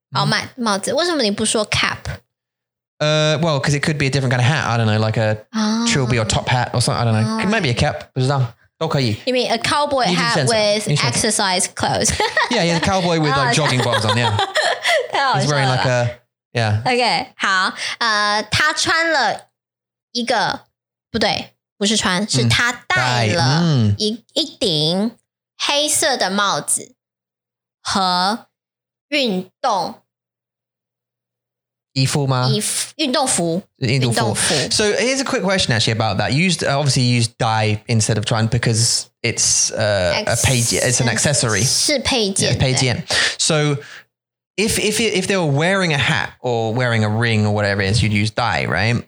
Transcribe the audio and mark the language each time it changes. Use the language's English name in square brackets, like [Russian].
[Chinese] oh, 帽子, 为什么你不说 cap? [English] Well, because it could be a different kind of hat. I don't know, like a trilby or top hat or something. I don't know. Maybe a cap. [Chinese] 不知道。都可以。 [English] You mean a cowboy hat with exercise clothes? Yeah, yeah, a cowboy with like jogging bottoms on, yeah. He's wearing like a, yeah. [Chinese] Okay, 好, 他穿了一个, 不对, 不是穿, 是他戴了一顶黑色的帽子和运动。衣服吗? 运动服。 [English] So here's a quick question actually about that. Obviously used dye instead of trying because it's it's an accessory. [Chinese] 是配件。 [English] So if they were wearing a hat or wearing a ring or whatever it is, you'd use dye, right?